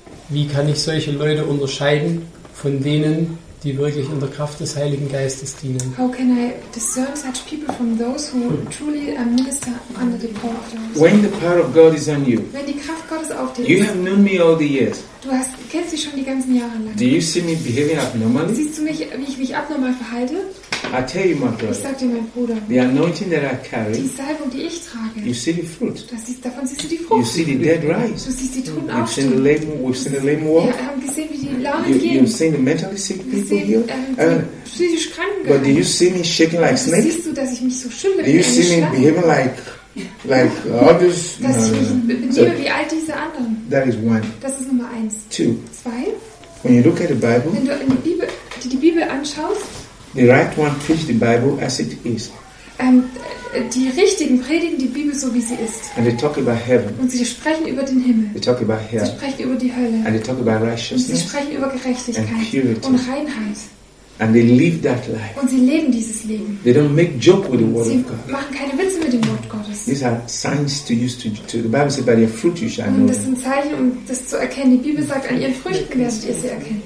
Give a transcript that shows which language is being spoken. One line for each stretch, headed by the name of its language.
German: Wie kann ich solche Leute unterscheiden von denen, die wirklich in der Kraft des Heiligen Geistes dienen?
English: How can I discern such people from those who truly minister under the power of God? When the power of God is on you.
German: Wenn die Kraft Gottes auf dir ist.
English: You have known me all the years.
German: Du kennst mich schon die ganzen Jahre lang.
English: Do you see me behaving abnormally?
German: Siehst du mich, wie ich mich abnormal verhalte?
English: I tell you, my brother.
German: Ich sag dir, mein Bruder.
English: The anointing that I carry.
German: Die Salbung, die ich trage.
English: You see the fruit.
German: Davon siehst du die Frucht.
English: You see the dead rise.
German: Du siehst die Toten aufstehen.
English: You've seen the lame. We've seen the lame walk.
German: Wir haben gesehen, wie die lahmen gehen.
English: You've seen the mentally sick people here.
German: Die psychisch Kranken.
English: But do you see me shaking like snakes?
German: Siehst du, dass ich mich so schüttle?
English: Do you see me behaving like others?
German: Dass ich mich benehme wie all diese anderen.
English: That is one.
German: Das ist Nummer eins.
English: Two.
German: Zwei.
English: When you look at the Bible.
German: Wenn du die Bibel anschaust.
English: The right one preach the Bible as it is.
German: Die richtigen predigen die Bibel so wie sie ist.
English: And they talk about heaven.
German: Und sie sprechen über den Himmel.
English: They talk about hell.
German: Sie sprechen über die Hölle.
English: And they talk about righteousness.
German: Und sie sprechen über Gerechtigkeit
English: and purity.
German: Und Reinheit.
English: And they live that life.
German: Und sie leben dieses Leben.
English: They don't make joke with the word
German: sie
English: of God.
German: Machen keine Witze mit dem Wort Gottes.
English: These are signs to use to the Bible says by their fruit you shall know.
German: Das sind Zeichen, um das zu erkennen. Die Bibel sagt, an ihren Früchten werdet ihr sie erkennen.